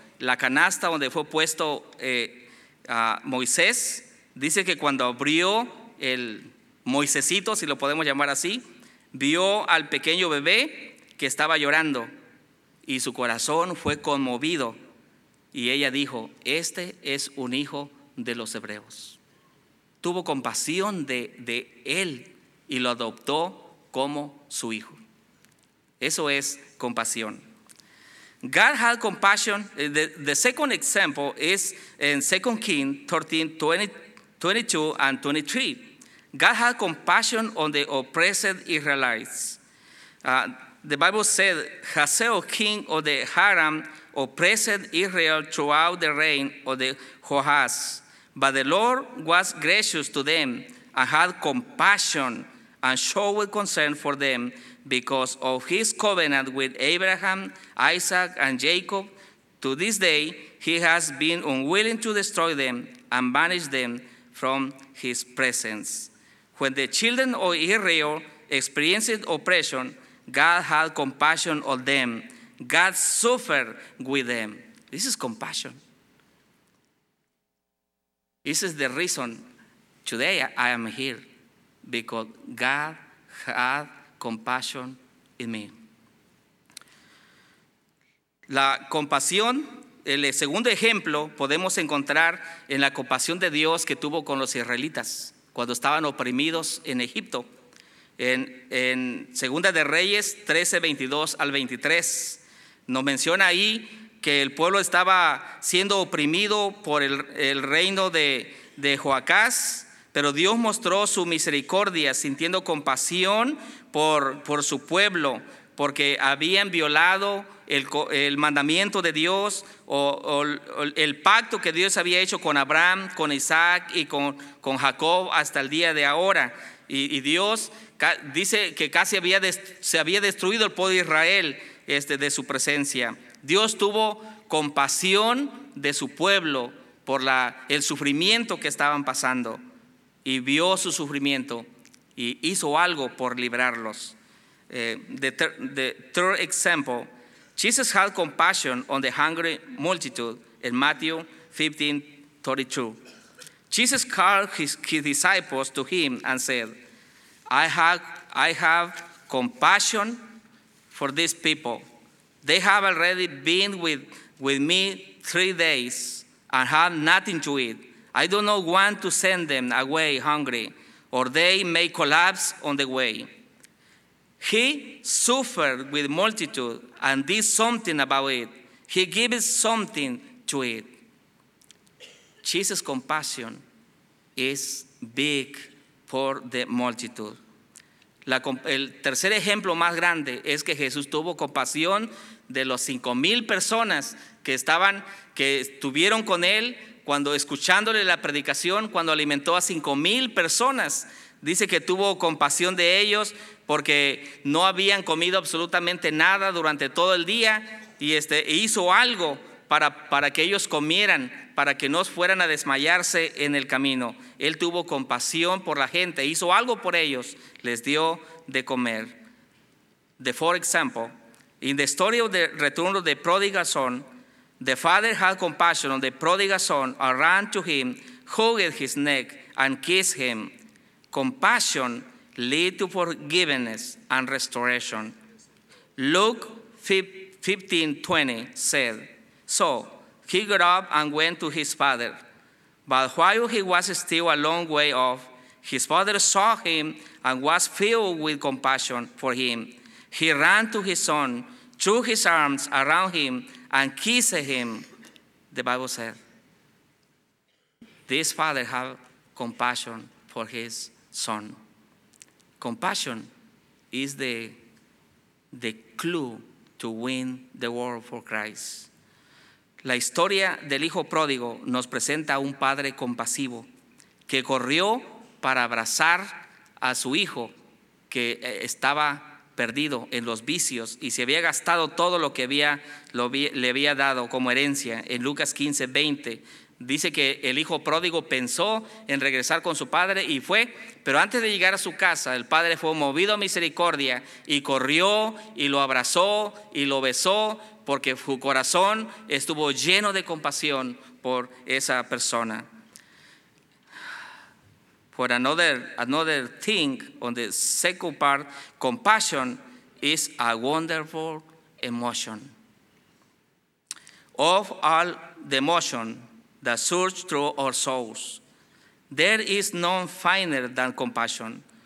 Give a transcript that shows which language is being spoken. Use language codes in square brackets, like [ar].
[es] la canasta donde fue puesto Moisés, dice que cuando abrió el Moisecito, si lo podemos llamar así, vio al pequeño bebé que estaba llorando y su corazón fue conmovido. Y ella dijo, este es un hijo de los hebreos. Tuvo compasión de él y lo adoptó como su hijo. Eso es compasión. [en] God had compassion. The second example is in 2 Kings 13, 22 and 23. God had compassion on the oppressed Israelites. The Bible said, Hazael, king of the Haran, oppressed Israel throughout the reign of the Joash. But the Lord was gracious to them and had compassion and showed concern for them because of his covenant with Abraham, Isaac, and Jacob. To this day, he has been unwilling to destroy them and banish them from his presence. When the children of Israel experienced oppression, God had compassion on them. God suffered with them. This is compassion. This is the reason today I am here, because God had compassion in me. [es] La compasión, el segundo ejemplo, podemos encontrar en la compasión de Dios que tuvo con los israelitas cuando estaban oprimidos en Egipto. En Segunda de Reyes 13, 22 al 23, nos menciona ahí que el pueblo estaba siendo oprimido por el reino de Joacás, pero Dios mostró su misericordia, sintiendo compasión por su pueblo, porque habían violado el mandamiento de Dios o el pacto que Dios había hecho con Abraham, con Isaac y con Jacob hasta el día de ahora. Y Dios dice que casi se había destruido el pueblo de Israel de su presencia. Dios tuvo compasión de su pueblo por el sufrimiento que estaban pasando y vio su sufrimiento y hizo algo por librarlos. [en] The third example, Jesus had compassion on the hungry multitude in Matthew 15:32. Jesus called his disciples to him and said, I have compassion for these people. They have already been with me 3 days and have nothing to eat. I do not want to send them away hungry, or they may collapse on the way. He suffered with multitude and did something about it. He gives something to it. Jesus' compassion is big for the multitude. [es] El tercer ejemplo más grande es que Jesús tuvo compasión de los 5,000 personas que estuvieron con él cuando escuchándole la predicación, cuando alimentó a 5,000 personas. Dice que tuvo compasión de ellos porque no habían comido absolutamente nada durante todo el día e hizo algo para que ellos comieran, para que no fueran a desmayarse en el camino. Él tuvo compasión por la gente, hizo algo por ellos, les dio de comer. [en] The fourth example, in the story of the return of the prodigal son, the father had compassion on the prodigal son and ran to him, hugged his neck and kissed him. Compassion led to forgiveness and restoration. Luke 15:20 said, so he got up and went to his father. But while he was still a long way off, his father saw him and was filled with compassion for him. He ran to his son, threw his arms around him, and kissed him. The Bible said, this father had compassion for his son. Compassion is the clue to win the world for Christ. [es] La historia del hijo pródigo nos presenta a un padre compasivo que corrió para abrazar a su hijo que estaba perdido en los vicios y se había gastado todo lo que le había dado como herencia. En Lucas 15:20 dice que el hijo pródigo pensó en regresar con su padre y fue, pero antes de llegar a su casa, el padre fue movido a misericordia y corrió y lo abrazó y lo besó porque su corazón estuvo lleno de compasión por esa persona. [en] For another thing on the second part, compassion is a wonderful emotion. Of all the emotions that surge through our souls, there is none finer than compassion.